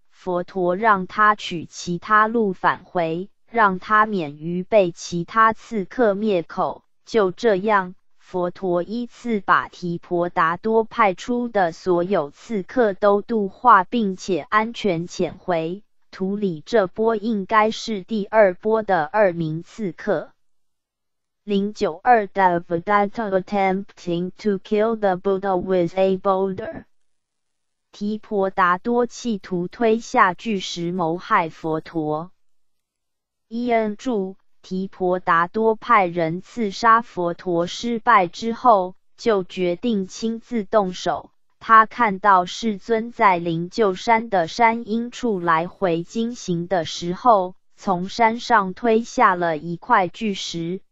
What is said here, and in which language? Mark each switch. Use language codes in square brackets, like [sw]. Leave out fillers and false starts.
[zh] 佛陀让他取其他路返回，让他免于被其他刺客灭口。就这样，佛陀依次把提婆达多派出的所有刺客都度化，并且安全遣回。图里这波应该是第二波的二名刺客。 [en] 092 Devadatta attempting to kill the Buddha with a boulder， [zh] 提婆达多企图推下巨石谋害佛陀。伊恩著，提婆达多派人刺杀佛陀失败之后，就决定亲自动手。他看到世尊在灵鹫山的山阴处来回经行的时候，从山上推下了一块巨石。